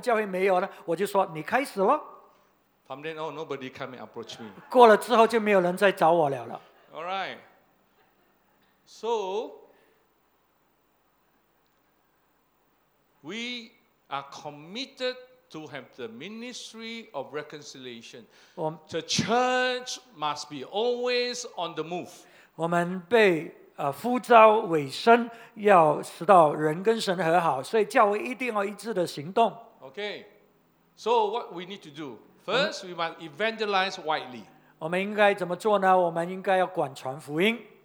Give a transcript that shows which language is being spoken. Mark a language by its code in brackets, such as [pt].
[zh] 那么下一回呢，有会有来跟我说，牧师，我们教会没有了，我就说你开始咯。 [en] From then on, nobody come and approach me. [zh] 过了之后就没有人再找我了。 [en] All right. So, we are committed to have the ministry of reconciliation. The church must be always on the move. [zh] 我们被呼召委身，要使到人跟神和好，所以教会一定要一致的行动。 [en] Okay. So, what we need to do? First, we must evangelize widely. [zh] 我们应该怎么做呢？我们应该要广传福音。